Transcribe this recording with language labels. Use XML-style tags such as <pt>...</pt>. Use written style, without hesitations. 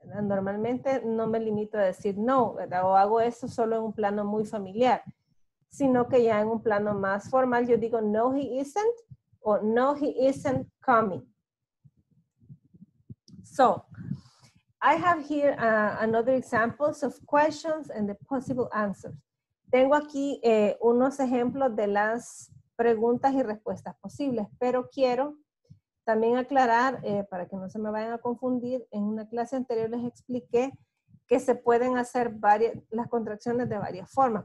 <es>Normalmente no me limito a decir no, ¿verdad? O hago eso solo en un plano muy familiar, sino que ya en un plano más formal yo digo</es> <en>no, he isn't,</en> <es>o no,</es> <en>he isn't coming. So, I have here another examples of questions and the possible answers.</en> <es>Tengo aquí unos ejemplos de las preguntas y respuestas posibles, pero quiero también aclarar, para que no se me vayan a confundir, en una clase anterior les expliqué que se pueden hacer varias, las contracciones de varias formas.</es>